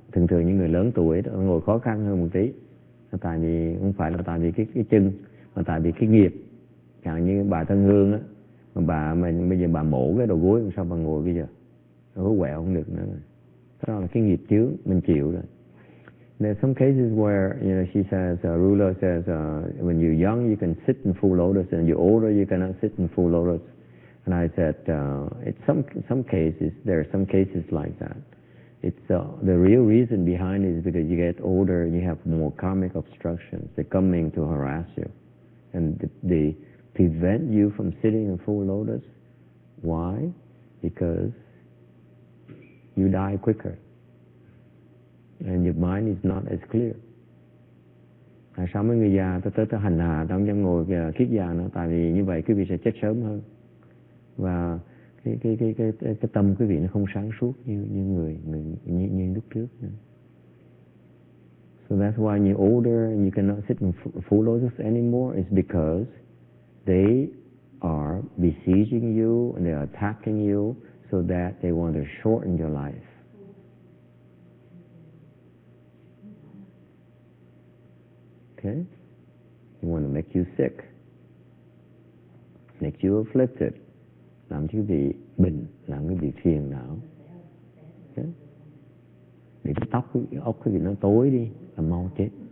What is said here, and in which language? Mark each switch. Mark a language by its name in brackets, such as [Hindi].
[Vietnamese] Thường thường những người lớn tuổi đó, ngồi khó khăn hơn một tí, tại vì không phải là tại vì cái chân, mà tại vì cái nghiệp. Chẳng như bà Thân Hương á, mà bà mình bây giờ bà mổ cái đầu gối, sao bà ngồi bây giờ gối quẹo không được nữa. Đó là cái nghiệp chứ, mình chịu rồi. [English] There are some cases where, you know, she says, ruler says, when you're young, you can sit in full lotus, and you're older, you cannot sit in full lotus. And I said, it's some cases, there are some cases like that. It's the real reason behind it is because you get older, you have more karmic obstructions. They're coming to harass you. And they prevent you from sitting in full lotus. Why? Because you die quicker. And your mind is not as clear. [Vietnamese] Tại sao mấy người già tới hành hạ ta không dám ngồi kiết già nữa? Tại vì như vậy quý vị sẽ chết sớm hơn. Và cái tâm quý vị nó không sáng suốt như người lúc trước nữa. [English] So that's why when you're older and you cannot sit in full lotus anymore, it's because they are besieging you and they are attacking you so that they want to shorten your life. Okay, they want to make you sick, make you afflicted, [Vietnamese] làm cho quý vị bệnh, làm cho quý vị phiền não. Okay, để cái tóc, cái óc quý vị nó tối đi, là mau chết.